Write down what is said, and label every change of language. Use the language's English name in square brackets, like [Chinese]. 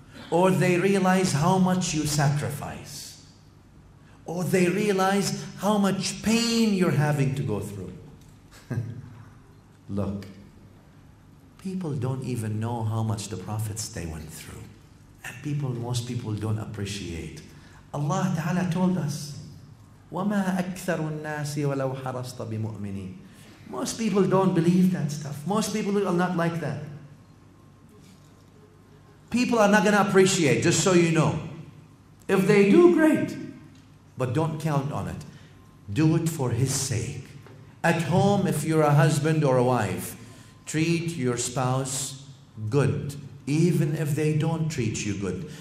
[English] or they realize how much you sacrifice, or they realize how much pain you're having to go through. Look, people don't even know how much the prophets they went through. And people, most people don't appreciate. Allah Ta'ala told us, [Arabic] وَمَا أَكْثَرُ النَّاسِ وَلَوْ حَرَصْتَ بِمُؤْمِنِينَ. [English] Most people don't believe that stuff. Most people are not like that. People are not going to appreciate, just so you know. If they do, great. But don't count on it. Do it for His sake. At home, if you're a husband or a wife, treat your spouse good, even if they don't treat you good.